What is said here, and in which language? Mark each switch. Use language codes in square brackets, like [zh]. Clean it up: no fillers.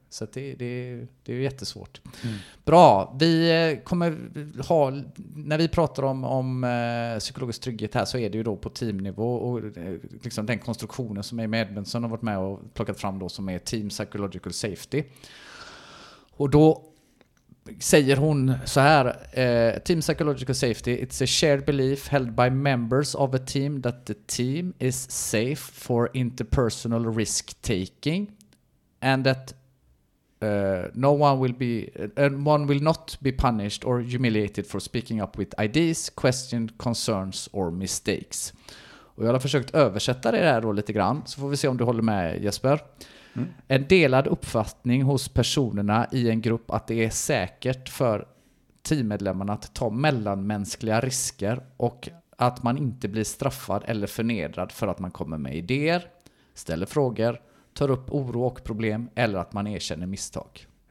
[sv] Så det är jättesvårt. Bra, vi kommer ha, när vi pratar om psykologisk trygghet här, så är det ju då på teamnivå och liksom den konstruktionen som Amy Edmondson har varit med och plockat fram då, som är team psychological safety. Och då säger hon så här: [en] team psychological safety, it's a shared belief held by members of a team that the team is safe for interpersonal risk taking and that one will not be punished or humiliated for speaking up with ideas, questions, concerns or mistakes. [sv] Och jag har försökt översätta det här då lite grann, så får vi se om du håller med, Jesper. En delad uppfattning hos personerna i en grupp att det är säkert för teammedlemmarna att ta mellanmänskliga risker och att man inte blir straffad eller förnedrad för att man kommer med idéer, ställer frågor, tar upp oro och problem eller att man erkänner misstag.